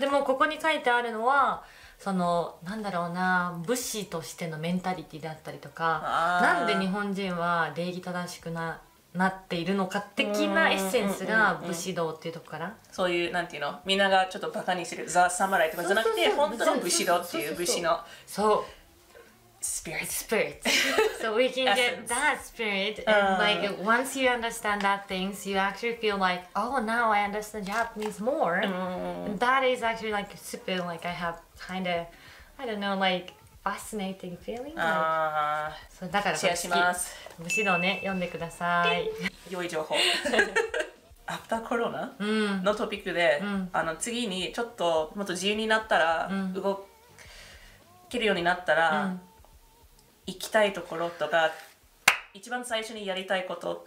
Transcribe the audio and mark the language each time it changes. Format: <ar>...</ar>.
<ja>でもここに書いてあるのは、そのなんだろうな、武士としてのメンタリティだったりとか、なんで日本人は礼儀正しくなっているのか的なエッセンスが武士道っていうとこから、そういうなんていうの、みんながちょっとバカにするザ・サムライとかじゃなくて、そうそうそう、本当の武士道っていう武士の、そう、</ja> <en>Spirit. So we can get that spirit. And like, once you understand that things, you actually feel like, oh, now I understand Japanese more. And that is actually like super, like, I have kind of, I don't know, like, fascinating feeling.</en> <ja>So, だからシェアします。むしろね、読んでください。良い情報。アフターコロナのトピックで、あの、次にちょっともっと自由になったら、動けるようになったら、行きたいところとか、一番最初にやりたいこと</ja>